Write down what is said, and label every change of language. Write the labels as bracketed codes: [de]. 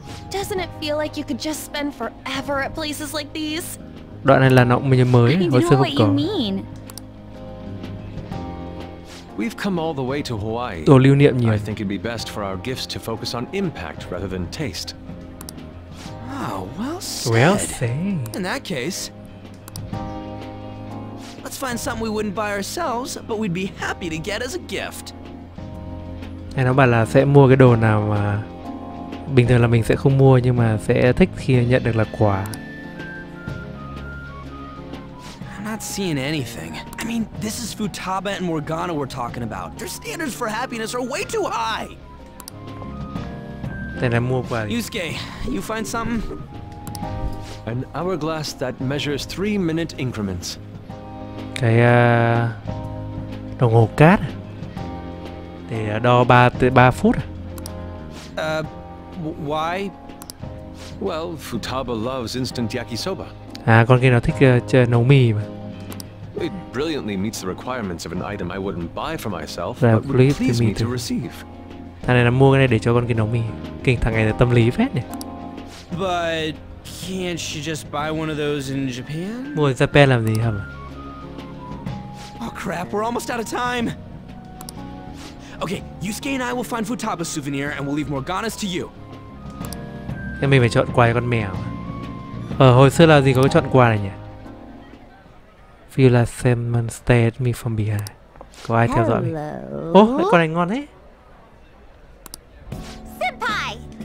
[en] Doesn't it feel like you could just spend forever at places like these? [vi] Đoạn này là nó mới mới, hồi xưa không có. [en] We've come all the way to Hawaii. [vi] Đồ lưu niệm nhiều. [en] I think it'd be best for our gifts to focus on impact rather than taste. Oh, well said. Well said. In that case, let's find something we wouldn't buy ourselves, but we'd be happy to get as a gift. [vi] Thế nó bảo là sẽ mua cái đồ nào mà bình thường là mình sẽ không mua nhưng mà sẽ thích khi nhận được là quà. [en] Not seeing anything. I mean, this is Futaba and Morgana we're talking about. Their standards for happiness are way too high. Then I'm more worried. Yusuke, you find something? An hourglass that measures 3-minute increments. [vi] Cái đồng hồ cát để đo 3 phút. [en] Why? Well, Futaba loves instant yakisoba. [vi] À, con kia nó thích chơi nấu mì mà. [en] It brilliantly meets the requirements of an item I wouldn't buy for myself, but would please please me to receive. [vi] Thằng này nó mua cái này để cho con kia nấu mì. Kinh, thằng này là tâm lý phết nhỉ. [en] But can't she just buy one of those in Japan? [vi] Mua Japan làm gì hả? [en] Oh crap, we're almost out of time. Okay, Yusuke and I will find Futaba's souvenir and we'll leave Morgana's to you. [vi] Thế mình phải chọn quà cho con mèo. Ờ, hồi xưa là gì có chọn quà này nhỉ? [en] Vila Simon stared me from behind. [vi] Có ai theo dõi mình? Ô, oh, con này ngon thế. [en] Senpai.